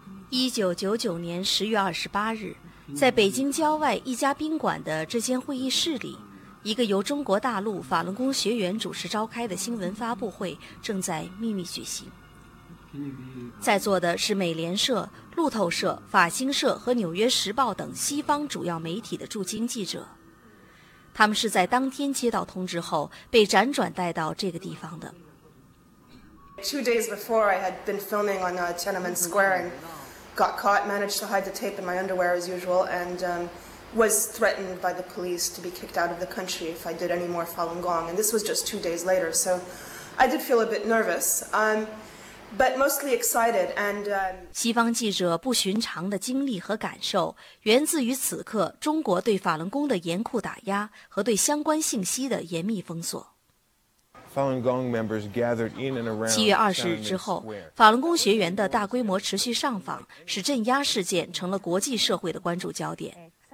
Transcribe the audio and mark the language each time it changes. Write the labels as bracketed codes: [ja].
[zh] 1999年10月28日，在北京郊外一家宾馆的这间会议室里，一个由中国大陆法轮功学员主持召开的新闻发布会正在秘密举行。在座的是美联社、路透社、法新社和纽约时报等西方主要媒体的驻京记者，他们是在当天接到通知后被辗转带到这个地方的。 [en] 2 days before I had been filming on Tiananmen Square andGot caught, managed to hide the tape in my underwear as usual, and was threatened by the police to be kicked out of the country if I did any more Falun Gong. And this was just 2 days later, so I did feel a bit nervous, but mostly excited. And [zh] 西方记者不寻常的经历和感受源自于此刻中国对法轮功的严酷打压和对相关信息的严密封锁。 [en] Falun Gong members gathered in and around. [zh] 7月20日之后，法轮功学员的大规模持续上访，使镇压事件成了国际社会的关注焦点。